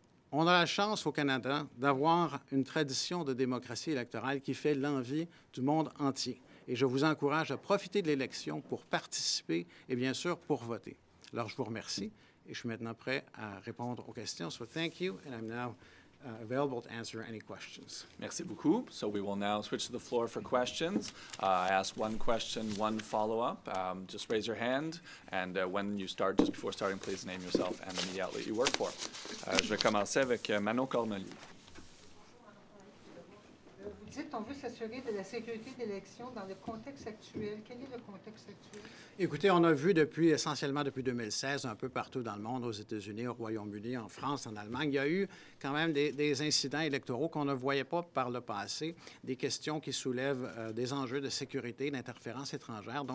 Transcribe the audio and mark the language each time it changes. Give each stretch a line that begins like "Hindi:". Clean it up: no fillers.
French: On a la chance au Canada d'avoir une tradition de démocratie électorale qui fait l'envie du monde entier. Et je vous encourage à profiter de l'élection pour participer et bien sûr pour voter. Alors, je vous remercie et je suis maintenant prêt à répondre aux questions.
English: So, thank you and I'm now available to answer any questions.
French: Merci beaucoup.
English: So we will now switch to the floor for questions. I ask one question, one follow-up. Just raise your hand, and when you start, just before starting, please name yourself and the media outlet you work for.
French: Je vais commencer avec Manon Cormelly. Vous dites qu'on veut s'assurer de la sécurité d'élection dans le contexte actuel. Quel est le contexte actuel? Écoutez, on a vu depuis, essentiellement depuis 2016, un peu partout dans le monde, aux États-Unis, au Royaume-Uni, en France, en Allemagne, il y a eu quand même des incidents électoraux qu'on ne voyait pas par le passé, des questions qui soulèvent des enjeux de sécurité, d'interférences étrangères.